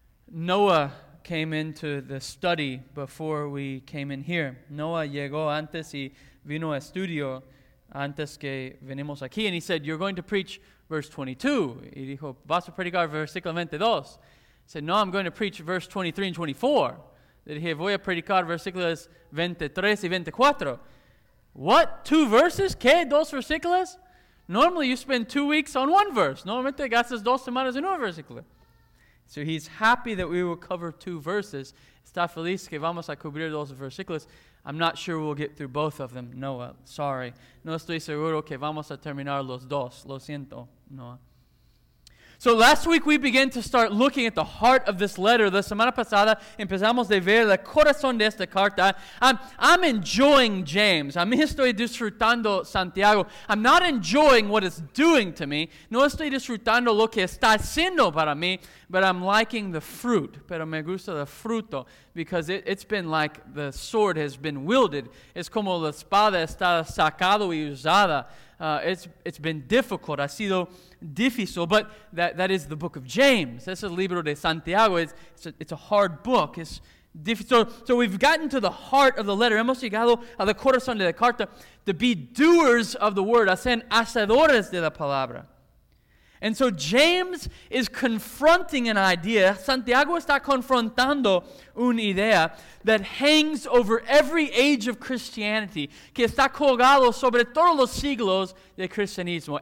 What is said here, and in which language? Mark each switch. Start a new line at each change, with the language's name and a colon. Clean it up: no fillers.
English: Noah came into the study before we came in here.
Spanish: Noah llegó antes y vino a estudio antes que venimos aquí.
English: And he said, you're going to preach verse 22.
Spanish: Y dijo, vas a predicar versículo 22.
English: Said, no, I'm going to preach verse 23 and 24.
Spanish: Dije, voy a predicar versículos 23 y 24.
English: What? Two verses?
Spanish: ¿Qué? Dos versículos?
English: Normally, you spend 2 weeks on one verse.
Spanish: Normalmente, gastas dos semanas en un versículo.
English: So he's happy that we will cover two verses.
Spanish: Está feliz que vamos a cubrir dos versículos.
English: I'm not sure we'll get through both of them, Noah. Sorry.
Spanish: No estoy seguro que vamos a terminar los dos. Lo siento, Noah.
English: So last week we began to start looking at the heart of this letter.
Spanish: La semana pasada empezamos a ver el corazón de esta carta.
English: I'm enjoying James.
Spanish: A mí estoy disfrutando Santiago.
English: I'm not enjoying what it's doing to me.
Spanish: No estoy disfrutando lo que está haciendo para mí,
English: but I'm liking the fruit.
Spanish: Pero me gusta el fruto
English: because it's been like the sword has been wielded.
Spanish: Es como la espada está sacado y usada.
English: It's been difficult.
Spanish: Ha sido difícil,
English: but that is the book of James.
Spanish: Es el libro de Santiago.
English: It's a hard book. It's difficult. So we've gotten to the heart of the letter.
Spanish: Hemos llegado a la corazón de la carta.
English: To be doers of the word.
Spanish: Hacen hacedores de la palabra.
English: And so James is confronting an idea.
Spanish: Santiago está confrontando una idea
English: that hangs over every age of Christianity,
Spanish: que está colgado sobre todos los siglos de cristianismo.